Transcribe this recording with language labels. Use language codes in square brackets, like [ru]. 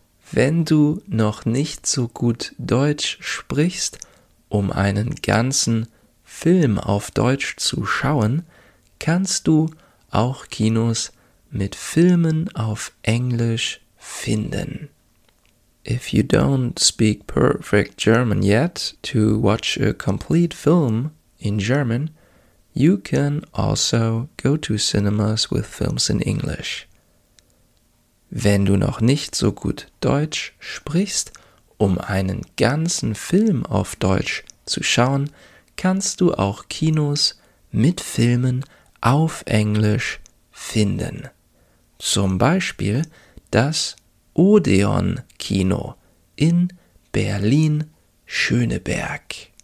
[de] Wenn du noch nicht so gut Deutsch sprichst, um einen ganzen Film auf Deutsch zu schauen, kannst du auch Kinos mit Filmen auf Englisch finden. [en] If you don't speak perfect German yet to watch a complete film in German, you can also go to cinemas with films in English. [de] Wenn du noch nicht so gut Deutsch sprichst, um einen ganzen Film auf Deutsch zu schauen, kannst du auch Kinos mit Filmen auf Englisch finden. Zum Beispiel das Odeon Kino in Berlin-Schöneberg.